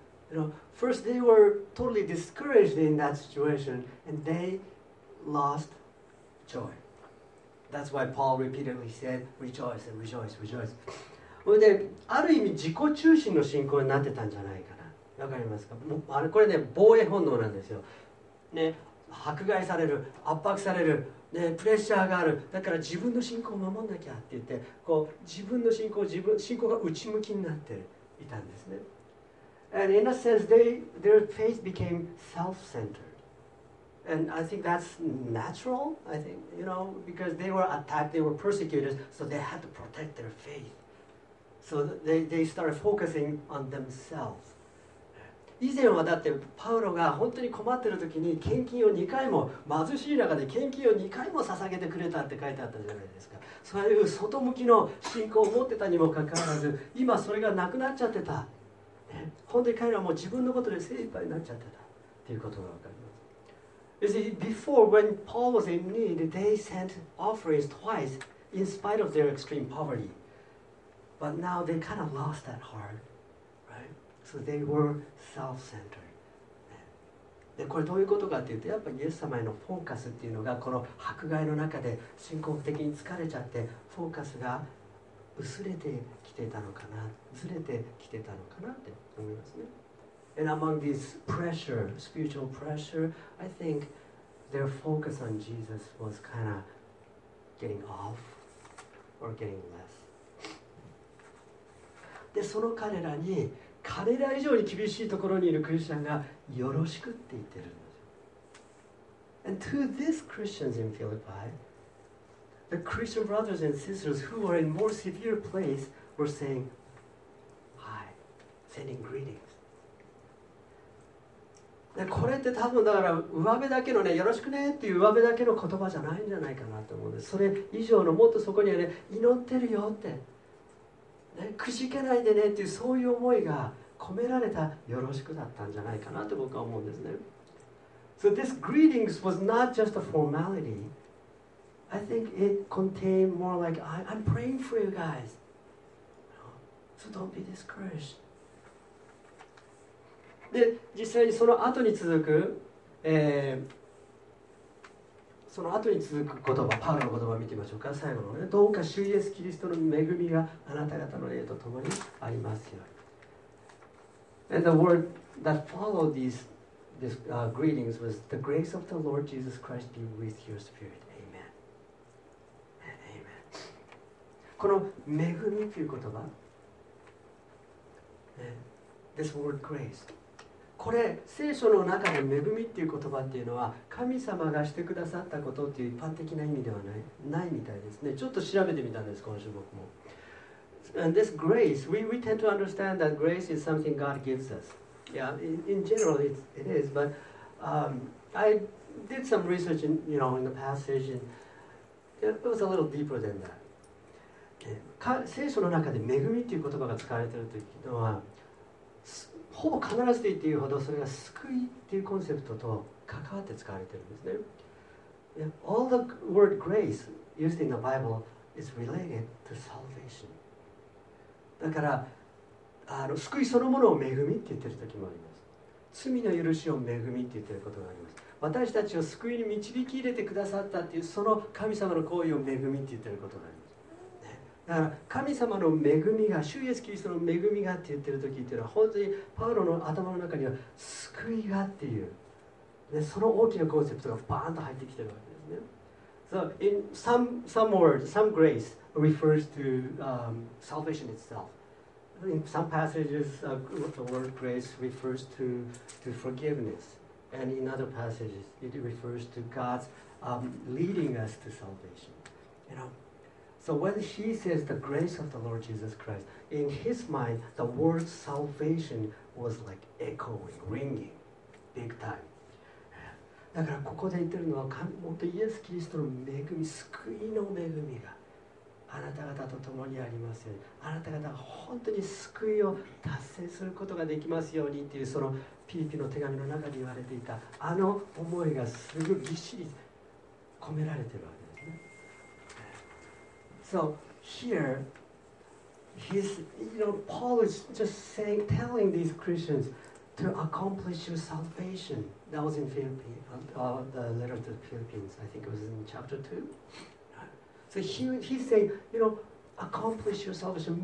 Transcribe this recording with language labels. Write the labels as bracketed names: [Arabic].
[English] You know, first, they were totally discouraged in that situation, and they lost joy. That's why Paul repeatedly said, rejoice and rejoice, rejoice. [Japanese] それで、ある意味自己中心の信仰になってたんじゃないかな。わかりますか？あれ、これね、防衛本能なんですよ。ね、迫害される、圧迫される、ね、プレッシャーがある。だから自分の信仰を守んなきゃって言って、こう自分の信仰、自分信仰が内向きになっていたんですね。 [English] And in a sense, their faith became self-centered. And I think that's natural, I think, you know, because they were attacked, they were persecuted, so they had to protect their faith. So they started focusing on themselves. [Japanese] 以前はだってパウロが本当に困ってる時に献金を2回も、貧しい中で献金を2回も捧げてくれたって書いてあったじゃないですか。そういう外向きの信仰を持ってたにもかかわらず、今それがなくなっちゃってた。本当に彼らはもう自分のことで精一杯になっちゃってたっていうことがわかる。 [English] You see, before when Paul was in need, they sent offerings twice in spite of their extreme poverty. But now they kind of lost that heart, right? So they were self-centered. [Japanese] で、これどういうことかっていうと、やっぱりイエス様へのフォーカスっていうのがこの迫害の中で信仰的に疲れちゃって、フォーカスが薄れてきてたのかな、ずれてきてたのかなって思いますね。 [English] And among this pressure, spiritual pressure, I think their focus on Jesus was kind of getting off or getting less. [Japanese] で、その彼らに、彼ら以上に厳しいところにいるクリスチャンがよろしくって言ってるんですよ。 [English] And to these Christians in Philippi, the Christian brothers and sisters who were in more severe place were saying, Hi, sending greetings. [Japanese] でこれって多分だから上辺だけのね、よろしくねっていう上辺だけの言葉じゃないんじゃないかなと思うんです。それ以上のもっとそこにはね、祈ってるよって、ね、くじけないでねっていう、そういう思いが込められたよろしくだったんじゃないかなと僕は思うんですね。 [English] So this greetings was not just a formality. I think it contained more like I'm praying for you guys. So don't be discouraged. [Japanese] で、実際にその後に続く、その後に続く言葉、パウロの言葉を見てみましょうか。最後のね、どうか主イエスキリストの恵みがあなた方の霊と共にありますように。 [English] And the word that followed these greetings was the grace of the Lord Jesus Christ be with your spirit. Amen. Amen. [Japanese] この恵みという言葉、 [English] This word grace. [Japanese] これ聖書の中の恵みっていう言葉っていうのは神様がしてくださったことっていう一般的な意味ではないみたいですね。ちょっと調べてみたんです今週僕も。 [English] And this grace, we tend to understand that grace is something God gives us. Yeah, in general it is. But I did some research in, you know, in the passage, and it was a little deeper than that. [Japanese] 聖書の中で恵みっていう言葉が使われているというのは。ほぼ必ずと言っていいほどそれが救いっていうコンセプトと関わって使われているんですね。 [English] Yeah, all the word grace used in the Bible is related to salvation. [Japanese] だから救いそのものを恵みって言ってる時もあります。罪の許しを恵みって言ってることがあります。私たちを救いに導き入れてくださったっていうその神様の行為を恵みって言ってることがあります、ね、だから神様の恵みが主イエスキリストの恵みがって言ってる時っていうのは本当にパウロの頭の中には救いがっていう、ね、その大きなコンセプトがバーンと入ってきてるわけですね。 [English] So in some words, some grace refers to、salvation itself. In some passages, the word grace refers to forgiveness. And in other passages, it refers to God's leading us to salvation. You know, so when he says the grace of the Lord Jesus Christ, in his mind, the word salvation was like echoing, ringing, big time. [Japanese] だからここで言ってるのは、本当にイエス・キリストの恵み、救いの恵みがあなた方と共にありますように。あなた方が本当に救いを達成することができますようにっていうそのピーピーの手紙の中で言われていたあの思いがすごくぎっしり込められているわけですね。 [English] So here he's, you know, Paul is just saying, telling these Christians to accomplish your salvation. That was in the letter to the Philippians. I think it was in chapter 2. So he's saying, you know, accomplish your salvation.